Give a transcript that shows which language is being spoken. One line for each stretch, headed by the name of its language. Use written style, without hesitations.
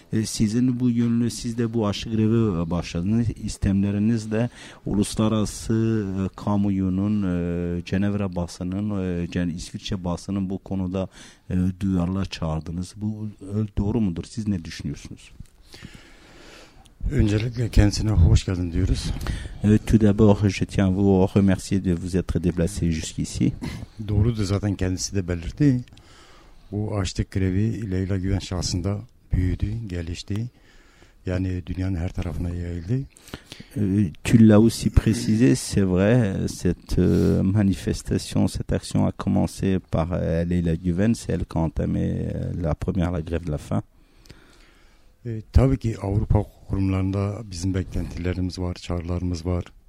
Turkish: Sizin bu yönlü, siz de bu aşık grevi başladığınız istemleriniz de uluslararası kamuoyunun, Cenevre basının, İsviçre basının bu konuda duyarlılığa çağırdınız. Bu doğru mudur? Siz ne düşünüyorsunuz? Öncelikle kendisine hoş geldin diyoruz.
French: Tout d'abord, je tiens vous remercier de vous être déplacé jusqu'ici.
Turkish: Doğrudur, zaten kendisi de belirtti. Bu açlık grevi Leyla Güven şahsında büyüdü, gelişti. Yani dünyanın her tarafına yayıldı.
French: Tu l'as aussi précisé, c'est vrai, cette manifestation, cette action a commencé par Leyla Güven, c'est elle qui a entamé la première, la grève de la faim.
Turkish: Tabii ki Avrupa kurumlarında bizim beklentilerimiz var, çağrılarımız var.